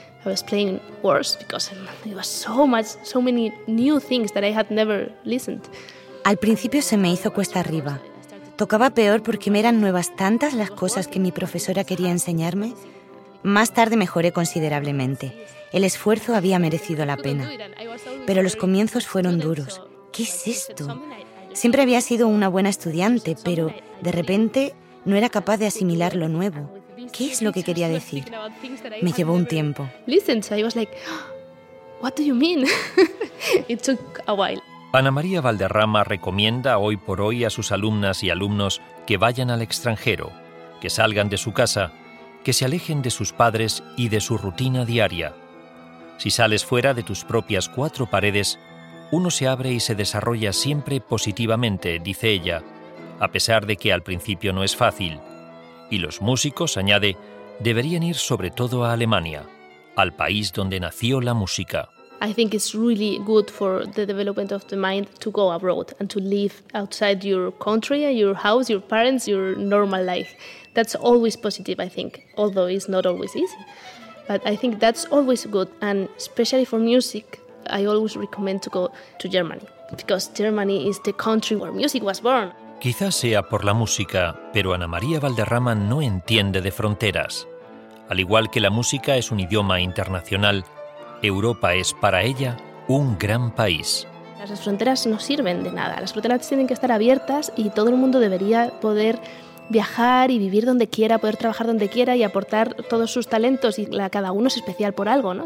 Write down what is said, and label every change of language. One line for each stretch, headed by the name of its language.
English: I was playing worse because it was so many new things that I had never listened.
Spanish: Al principio se me hizo cuesta arriba. Tocaba peor porque me eran nuevas tantas las cosas que mi profesora quería enseñarme. Más tarde mejoré considerablemente. El esfuerzo había merecido la pena. Pero los comienzos fueron duros. ¿Qué es esto? Siempre había sido una buena estudiante, pero de repente no era capaz de asimilar lo nuevo. ¿Qué es lo que quería decir? Me llevó un tiempo.
English: Listen, so I was like, what do you mean? It took a while.
Spanish: Ana María Valderrama recomienda hoy por hoy a sus alumnas y alumnos que vayan al extranjero, que salgan de su casa, que se alejen de sus padres y de su rutina diaria. Si sales fuera de tus propias cuatro paredes, uno se abre y se desarrolla siempre positivamente, dice ella, a pesar de que al principio no es fácil. Y los músicos, añade, deberían ir sobre todo a Alemania, al país donde nació la música.
English: I think it's really good for the development of the mind to go abroad and to live outside your country, your house, your parents, your normal life. That's always positive, I think, although it's not always easy. But I think that's always good, and especially for music, I always recommend to go to Germany, because Germany is the country where music was born.
Spanish: Quizás sea por la música, pero Ana María Valderrama no entiende de fronteras. Al igual que la música es un idioma internacional, Europa es para ella un gran país. Las fronteras no sirven de nada. Las fronteras tienen que estar abiertas y todo el mundo debería poder viajar y vivir donde quiera, poder trabajar donde quiera y aportar todos sus talentos, y cada uno es especial por algo, ¿no?